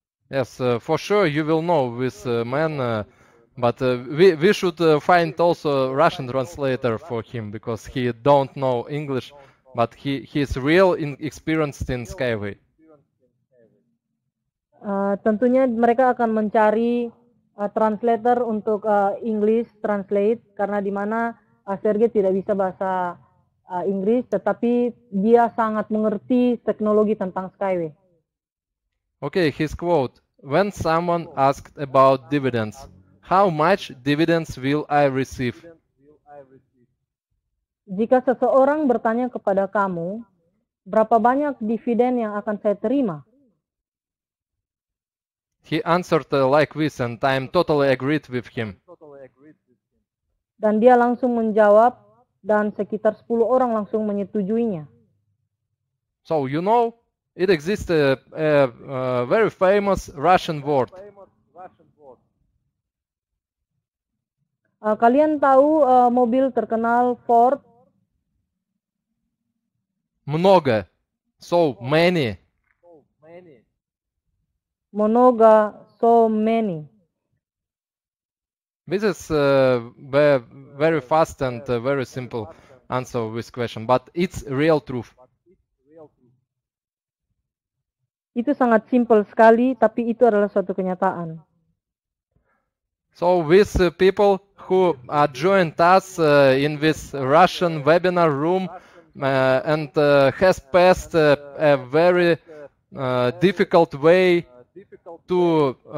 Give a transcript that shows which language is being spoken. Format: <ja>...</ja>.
<en>Yes, for sure you will know this man, but we should find also Russian translator for him because he don't know English, but he is real experienced in Skyway.</en> <id>Tentunya mereka akan mencari translator untuk English translate karena di mana Sergey tidak bisa bahasa Inggris, tetapi dia sangat mengerti teknologi tentang Skyway.</id> <en>Okay, his quote. When someone asked about dividends, how much dividends will I receive?</en> <id>Jika seseorang bertanya kepada kamu, berapa banyak dividen yang akan saya terima?</id> <en>He answered like this and I'm totally agreed with him.</en> <id>Dan dia langsung menjawab dan sekitar 10 orang langsung menyetujuinya.</id> <en>So you know, it exists a very famous Russian word.</en> <id>Kalian tahu mobil terkenal Ford?</id> <ru>Много.</ru> <en>So many.</en> <ru>Много.</ru> <en>So many. This is very fast and very simple answer to this question, but it's real truth.</en> <id>Itu sangat simpel sekali, tapi itu adalah suatu kenyataan.</id> <en>So these people who are joined us in this Russian webinar room and has passed a very difficult way to</en>